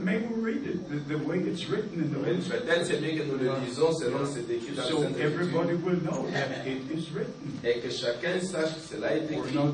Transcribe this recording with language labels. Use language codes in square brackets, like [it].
[en] May we read it the way it's written in the Bible. [fr] Peut-être c'est bien que nous le lisons selon ce écrit dans Saint-Écriture. [en] So everybody will know that it is written. [fr] Et que chacun sache que cela est écrit.